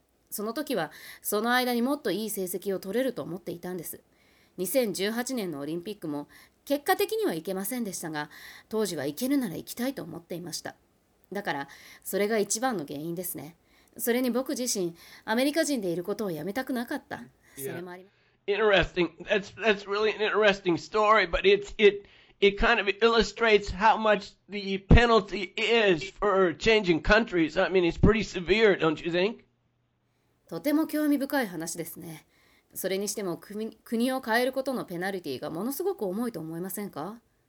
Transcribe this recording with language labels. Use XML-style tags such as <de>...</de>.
<ja>その時はその間にもっといい成績を取れると思っていたんです。 2018年のオリンピックも結果的には行けませんでしたが、当時は行けるなら行きたいと思っていました。だからそれが一番の原因ですね。それに僕自身、アメリカ人でいることをやめたくなかった。それもあります。</ja> <en>Interesting. That's really an interesting story, but it kind of illustrates how much the penalty is for changing countries. I mean, it's pretty severe, don't you think?</en> <ja>とても興味深い話ですね。それにしても国を変えることのペナルティがものすごく重いと思いませんか？</ja>